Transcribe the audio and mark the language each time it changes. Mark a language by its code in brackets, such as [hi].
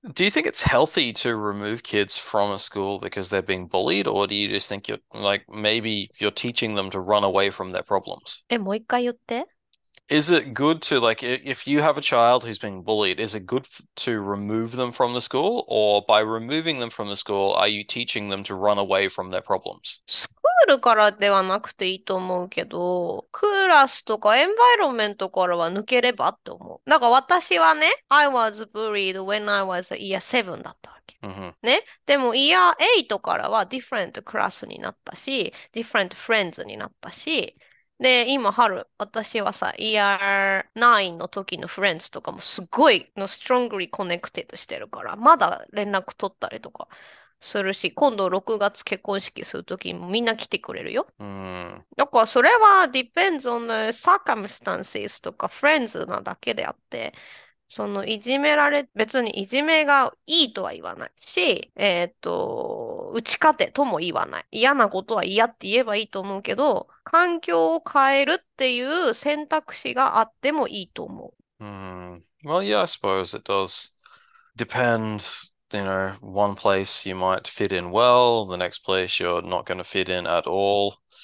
[en] Do you think it's healthy to remove kids from a school because they're being bullied, or do you just think you're like maybe you're teaching them to run away from their problems? [ja] え、もう一回言って。 [en] Is it good to like if you have a child who's being bullied, is it good to remove them from the school, or by removing them from the school, are you teaching them to run away from their problems? [ja] スクールからではなくていいと思うけど、クラスとかエンバイロメントからは抜ければって思う。なんか私はね、 [en] I was bullied when I was a year 7 [ja] だった。ね、でも、イヤー8からは different クラスになったし、different friends になったし、で、今、春、私はさ、イヤー9の時のフレンズとかもすごい、ストロングリーコネクテッドしてるから、まだ連絡取ったりとか、するし、今度6月結婚式するときもみんな来てくれるよ。うん。だからそれは [en] depends on the circumstances [ja] とか friends なだけであって、そのいじめられ、別にいじめがいいとは言わないし、打ち勝てとも言わない。嫌なことは嫌って言えばいいと思うけど、環境を変えるっていう選択肢があってもいいと思う。 [en] Well, yeah, I suppose it does depend. One place you might fit in well, the next place you're not going to fit in at all.